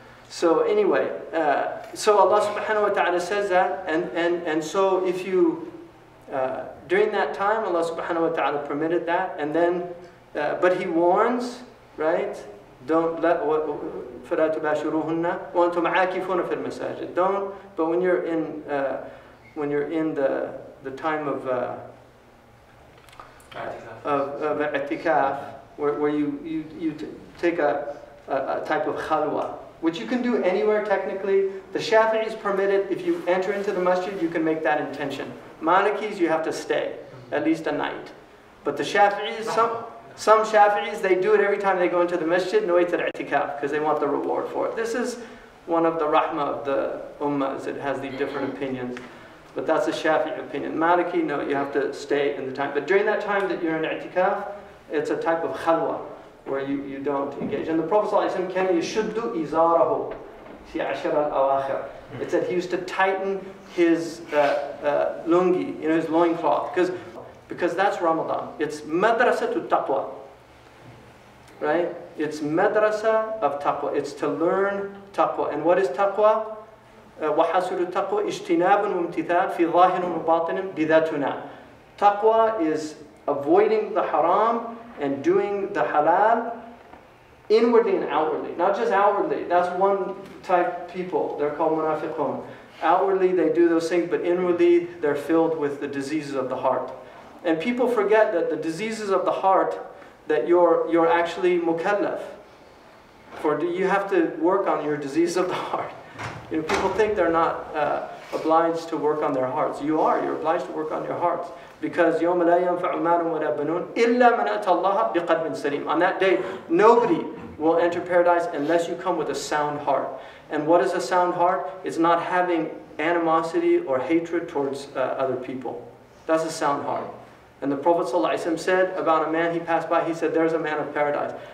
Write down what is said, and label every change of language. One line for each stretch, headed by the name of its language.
English: So anyway, so Allah subhanahu wa ta'ala says that, and so if you during that time, Allah subhanahu wa ta'ala permitted that, and then, but He warns, right? Don't let
Arabic: فَلَا تُبَاشِرُوهُنَّ وَأَنْتُمْ عَاكِفُونَ فِي الْمَسَاجِدِ.
English: Don't, but when you're in the time of i'tikaf, where you take a type of khalwa, which you can do anywhere technically. The Shafi'is permit it. If you enter into the masjid, you can make that intention. Malikis, you have to stay at least a night. But the Shafi'is, some Shafi'is, they do it every time they go into the masjid, no waitar i'tikaf, because they want the reward for it. This is one of the rahmah of the ummahs. It has these different opinions. But that's a Shafi'i opinion. Maliki, no, you have to stay in the time. But during that time that you're in i'tikaf, it's a type of khalwa, where you don't engage. And the Prophet ﷺ
Arabic: كان يشد إزاره في عشر الأواخر.
English: It said he used to tighten his lungi, you know, his loincloth, because that's Ramadan. It's madrasa to taqwa, right? It's madrasa of taqwa. It's to learn taqwa. And what is taqwa?
Arabic: وحصول التقوى اجتناب وامتثال في ظاهر وباطن بذاتنا.
English: Taqwa is avoiding the haram and doing the halal inwardly and outwardly. Not just outwardly. That's one type of people. They're called munafiqun. Outwardly they do those things, but inwardly they're filled with the diseases of the heart. And people forget that the diseases of the heart, that you're actually mukallaf. For you have to work on your disease of the heart. You know, people think they're not obliged to work on their hearts. You are. You're obliged to work on your hearts. Because
Arabic: يوم لا ينفع مال ولا بنون إلا من أتى الله بقلب سليم.
English: On that day, nobody will enter paradise unless you come with a sound heart. And what is a sound heart? It's not having animosity or hatred towards other people. That's a sound heart. And the Prophet ﷺ said about a man he passed by, he said, there's a man of paradise.